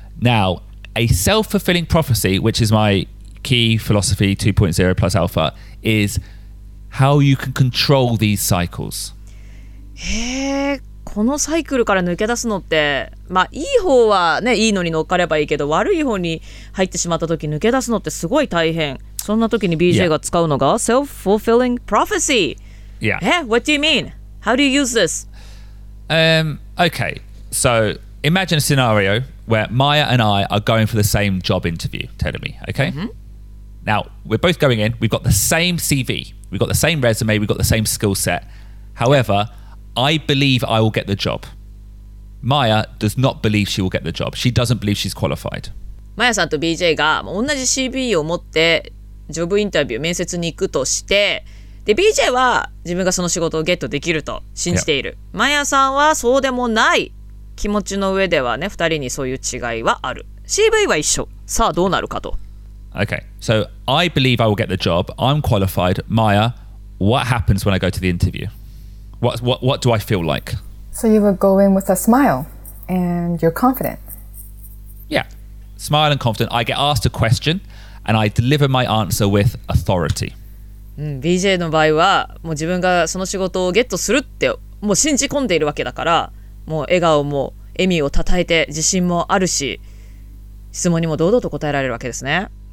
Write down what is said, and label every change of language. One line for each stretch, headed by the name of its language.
English: Now, a self-fulfilling prophecy, which is my key philosophy 2.0 plus alpha, is how you can control these cycles.
Japanese: へぇ、このサイクルから抜け出すのって、まあ、いい方はね、いいのに乗っかればいいけど、悪い方に入ってしまった時、抜け出すのってすごい大変。そんな時に BJ が使うのが、
English: yeah. self-fulfilling prophecy. Yeah. Hey, what do you mean? How do you use this? Okay. So, imagine a scenario where Maya and I are going for the same job interview, Tedemi, okay? Mm-hmm. Now, we're both going in, we've got the same CV, we've got the same resume, we've got the same skill set. However,I believe I will get the job. Maya does not believe she will get the job. She doesn't believe she's qualified.
Japanese: Maya さんと BJ が同じ CV を持ってジョブインタビュー面接に行くとして、で BJ は自分がその仕事をゲットできると信じている。
English: Maya、yeah.
Japanese: さんはそうでもない気持ちの上ではね、二人にそういう違いはある。 CV は一緒。さあどうなるかと。
English: Okay, so I believe I will get the job. I'm qualified. Maya, what happens when I go to the interview? What do I feel like? So you would go in with a smile and you're confident. Yeah. Smile and confident. I get asked a question and I deliver my answer with authority.
Japanese: うん、BJ の場合はもう自分がその仕事をゲットするってもう信じ込んでいるわけだから、もう笑顔も笑みをたたえて自信もあるし、質問にも堂々と答えられるわけですね。